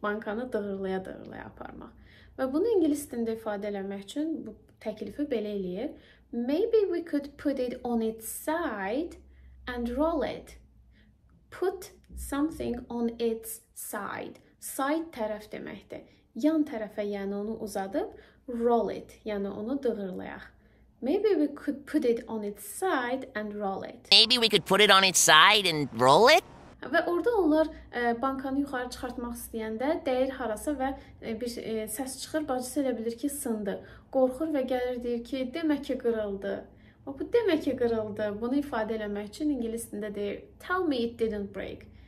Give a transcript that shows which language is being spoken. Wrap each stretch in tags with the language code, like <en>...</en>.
<az>Bankanı dığırlaya-dığırlaya aparmaq. Və bunu ingilis dilində ifadə eləmək üçün bu təklifi belə eləyir.</az> <en>Maybe we could put it on its side and roll it. Put something on its side.</en> <az>Side tərəf deməkdir. Yan tərəfə, yəni onu uzadıb,</az> <en>roll it,</en> <az>yəni onu dığırlayaq.</az> <en>Maybe we could put it on its side and roll it. Maybe we could put it on its side and roll it?</en> <az>Və orada onlar bankanı yuxarı çıxartmaq istəyəndə dəyir harasa və bir səs çıxır, bacısı elə bilir ki, sındı. Qorxur və gəlir, deyir ki, demək ki, qırıldı. O, bu demək ki, qırıldı. Bunu ifadə eləmək üçün ingilisində deyir,</az> <en>tell me it didn't break.</en>